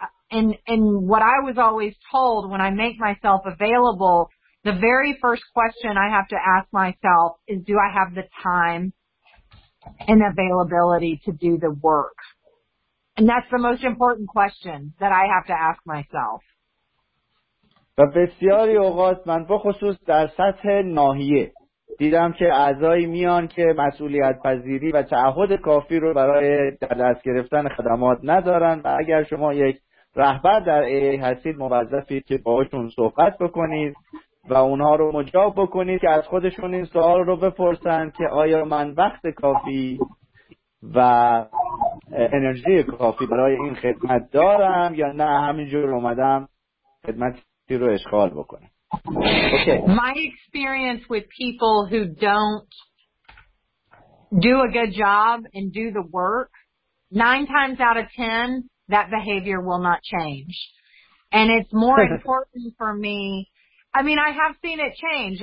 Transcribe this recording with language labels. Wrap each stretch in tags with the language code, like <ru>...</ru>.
<en>And what I was always told when I make myself available, the very first question I have to ask myself is, do I have the time and availability to do the work? And that's the most important question that I have to ask myself.</en> <fa>و بسیاری اوقات من بخصوص در سطح ناحیه دیدم که اعضایی میان که مسئولیت پذیری و تعهد کافی رو برای در دست گرفتن خدمات ندارن و اگر شما یک رهبر در ای هستید موظفید که باهاشون صحبت بکنید و اونها رو مجاب بکنید که از خودشون این سوال رو بپرسن که آیا من وقت کافی و انرژی کافی برای این خدمت دارم یا نه همینجور اومدم خدمتی رو اشغال بکنم.</fa> <en>Okay. My experience with people who don't do a good job and do the work, 9 times out of 10, that behavior will not change. And it's more important for me. I mean, I have seen it change.</en>